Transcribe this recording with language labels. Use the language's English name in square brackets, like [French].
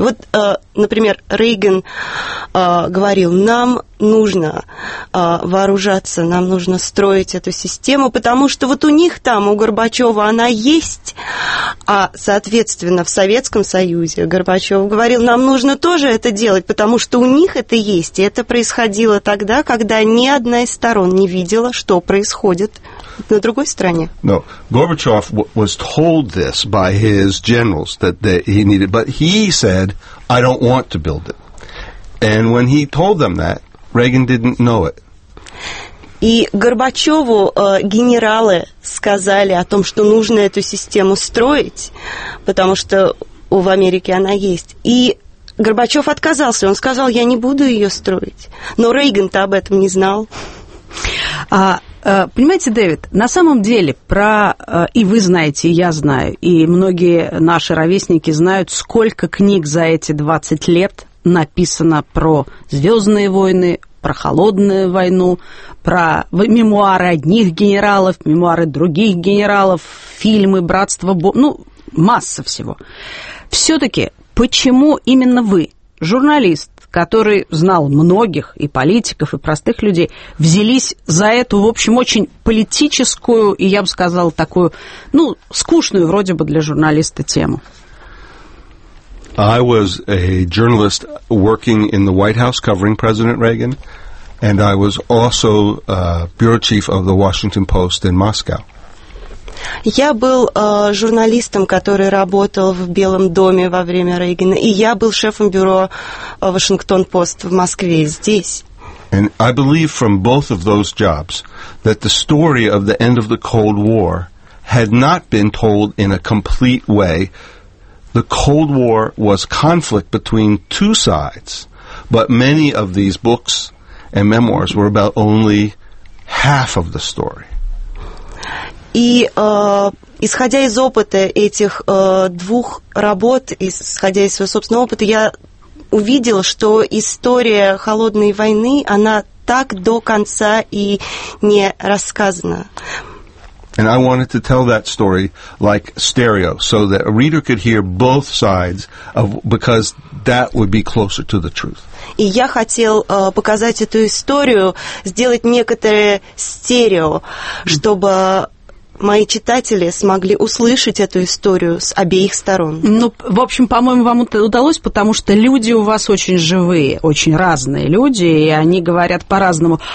[Russian] Вот, например, Рейган говорил, нам нужно вооружаться, нам нужно строить эту систему, потому что вот у них там, у Горбачева она есть, а, соответственно, в Советском Союзе Горбачев говорил, нам нужно тоже это делать, потому что у них это есть, и это происходило тогда, когда ни одна из сторон не видела, что происходит на другой стороне. [English] No, Gorbachev was told this by his generals that he needed, but he said, I don't want to build it. And when he told them that, Reagan didn't know it. [Russian] И Горбачеву генералы сказали о том, что нужно эту систему строить, потому что в Америке она есть. И Горбачев отказался, он сказал, я не буду ее строить. Но Рейган-то об этом не знал. Понимаете, Дэвид, на самом деле про... И вы знаете, и я знаю, и многие наши ровесники знают, сколько книг за эти 20 лет написано про «Звездные войны», про холодную войну, про мемуары одних генералов, мемуары других генералов, фильмы «Братство Бо...» ну, масса всего. Все-таки почему именно вы, журналист, который знал многих и политиков, и простых людей, взялись за эту, в общем, очень политическую, и я бы сказала, такую, ну, скучную вроде бы для журналиста тему? [English] I was a journalist working in the White House covering President Reagan, and I was also bureau chief of the Washington Post in Moscow. [Russian] Я был журналистом, который работал в Белом доме во время Рейгана, и я был шефом бюро Washington Post в Москве здесь. [English] And I believe from both of those jobs that the story of the end of the Cold War had not been told in a complete way. The Cold War was conflict between two sides, but many of these books and memoirs were about only half of the story. [Russian] И исходя из опыта этих двух работ, исходя из своего собственного опыта, я увидел, что история холодной войны, она так до конца и не рассказана. [English] And I wanted to tell that story like stereo, so that a reader could hear both sides, of, because that would be closer to the truth. [Russian] И я хотел показать эту историю, сделать некоторое стерео, чтобы мои читатели смогли услышать эту историю с обеих сторон. Ну, в общем, по-моему, вам это удалось, потому что люди у вас очень живые, очень разные люди, и они говорят по-разному.